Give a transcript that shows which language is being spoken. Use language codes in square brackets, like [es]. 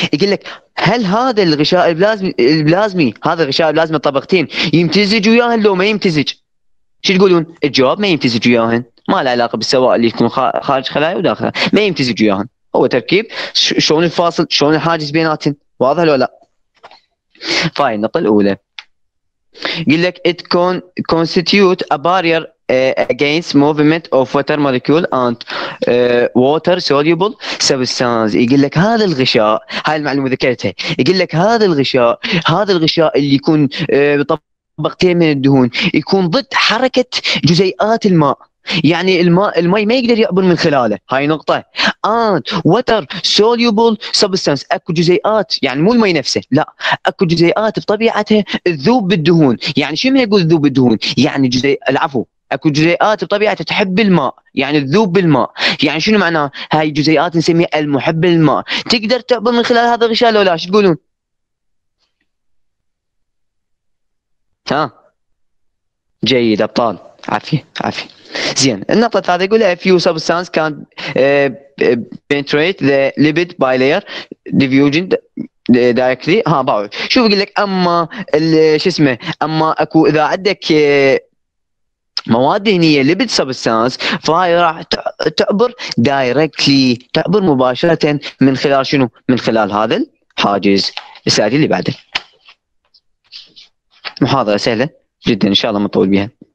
[ar] يقول لك هل هذا الغشاء البلازمي هذا الغشاء البلازمي الطبقتين يمتزج وياهن لو ما يمتزج؟ شو تقولون؟ الجواب ما يمتزج وياهن، ما له علاقه بالسوائل اللي تكون خارج خلايا وداخلها، ما يمتزج وياهن، هو تركيب شلون الفاصل شلون الحاجز بيناتهم، واضح لو لا؟ فاين النقطه الاولى. يقول لك [en] it constitute a barrier against movement of water molecule and water soluble substance. [ar] يقول لك هذا الغشاء، هاي المعلومه ذكرتها، يقول لك هذا الغشاء، هذا الغشاء اللي يكون طبقتين من الدهون يكون ضد حركه جزيئات الماء، يعني الماء المي ما يقدر يعبر من خلاله، هاي نقطه. [en] and water soluble substance، [ar] اكو جزيئات، يعني مو المي نفسه، لا، اكو جزيئات بطبيعتها تذوب بالدهون. يعني شو ما يقول تذوب بالدهون؟ يعني اكو جزيئات بطبيعتها تحب الماء، يعني تذوب بالماء. يعني شنو معناه؟ هاي جزيئات نسميها المحب للماء، تقدر تعبر من خلال هذا الغشاء لو لا، شو تقولون؟ ها جيد ابطال، عافيه عافيه. زين النقطه الثالثه يقول [en] if you substance can penetrate the lipid bilayer diffusion directly. [ar] ها باو، شوف يقول لك اما شو اسمه، اما اكو اذا عندك مواد دهنيه [en] lipid substance [ar] فهي راح تعبر directly، تعبر مباشره من خلال شنو؟ من خلال هذا الحاجز. السؤال اللي بعده، محاضره سهله جدا ان شاء الله ما اطول بها.